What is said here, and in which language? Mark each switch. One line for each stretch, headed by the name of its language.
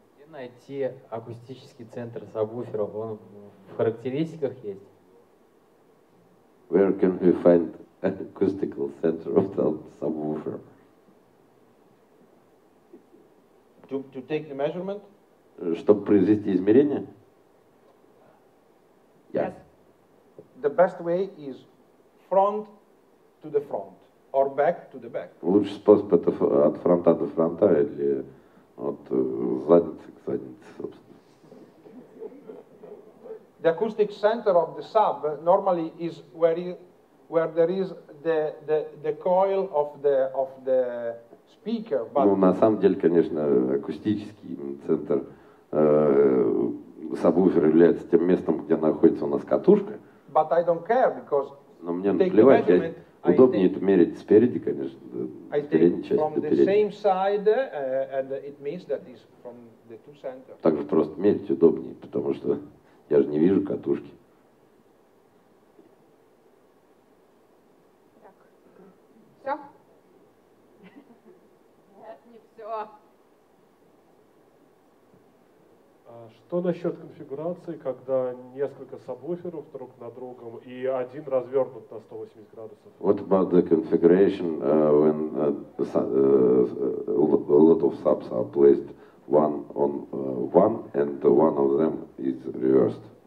Russian: Найти акустический центр сабвуферов, он в характеристиках есть?
English: Where can we find an acoustical center of the subwoofer? To take the measurement?
Russian: Чтобы произвести измерение?
English: Yes. Yeah. The best way is front to the front or back to the back.
Russian: Лучший способ это от фронта до фронта или от задницы к заднице, собственно.
English: The acoustic center of the sub normally is where you, where there is the coil of the speaker. But
Russian: ну, на самом деле, конечно, акустический центр сабвуфера является тем местом, где находится у нас катушка.
English: But I don't care because
Russian: но мне наплевать, я удобнее это мерить спереди, конечно, передней части до передней. Так же просто мерить удобнее, потому что я же не вижу катушки. Так. Все? Нет, не все. Что насчет конфигурации, когда несколько сабвуферов друг на другом и один развернут на 180 градусов?
English: What about the configuration when a lot of subs are placed one on one and one of them is reversed?